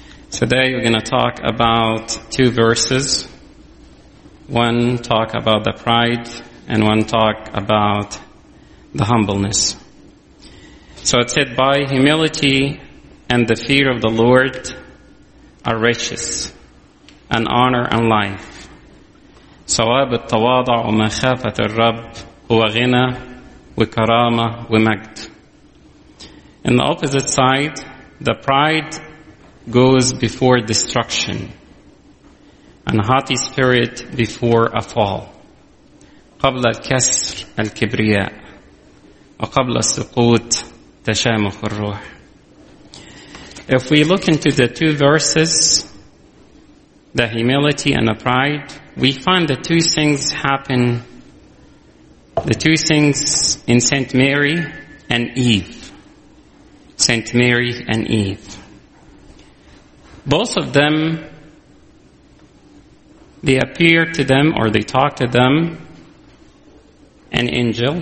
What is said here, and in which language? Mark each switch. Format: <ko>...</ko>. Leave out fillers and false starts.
<en>Today we're going to talk about two verses. One talk about the pride and one talk about the humbleness. So it said, by humility and the fear of the Lord are riches and honor and life.</en> <ar>ثواب التواضع ومخافة الرب هو غنى وكرامة ومجد.</ar> <en>In the opposite side, the pride goes before destruction, and haughty spirit before a fall.</en> <ar>قبل الكسر الكبرياء وقبل السقوط تشامخ الروح.</ar> <en>If we look into the two verses, the humility and the pride, we find the two things happen, the two things in Saint Mary and Eve. Saint Mary and Eve. Both of them, they appear to them or they talk to them, an angel.</en>